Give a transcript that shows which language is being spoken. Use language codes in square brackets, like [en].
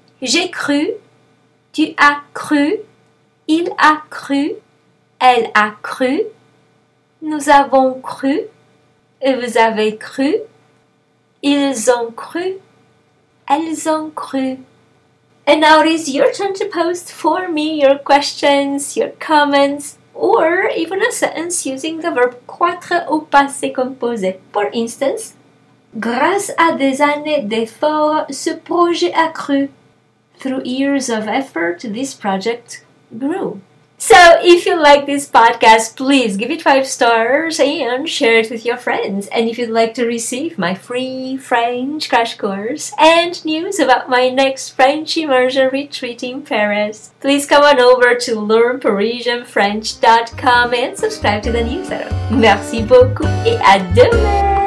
[fr] J'ai cru, tu as cru, il a cru, elle a cru, nous avons cru, vous avez cru, ils ont cru, elles ont cru. [en] And now it is your turn to post for me your questions, your comments, or even a sentence using the verb [fr] croître au passé composé. [en] For instance, [fr] grâce à des années d'efforts, ce projet a cru. [en] Through years of effort, this project grew. So, if you like this podcast, please give it 5 stars and share it with your friends. And if you'd like to receive my free French crash course and news about my next French immersion retreat in Paris, please come on over to learnparisianfrench.com and subscribe to the newsletter. [fr] Merci beaucoup et à demain!